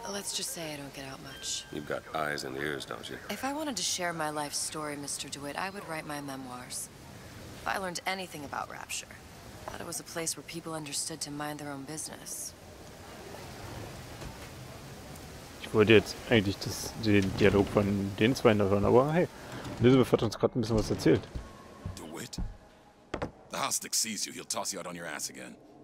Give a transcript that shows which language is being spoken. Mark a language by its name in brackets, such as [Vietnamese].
[English] Let's just say I don't get out much. You've got eyes and ears, don't you? If I wanted to share my life story, Mr. DeWitt, I would write my memoirs. If I learned anything about Rapture, I thought it was a place where people understood to mind their own business. [German] Ich wollte jetzt eigentlich den Dialog von den zwei hören, aber hey, Elizabeth hat uns gerade ein bisschen was erzählt. [English] The Hostick sees you, he'll toss you out on your ass again.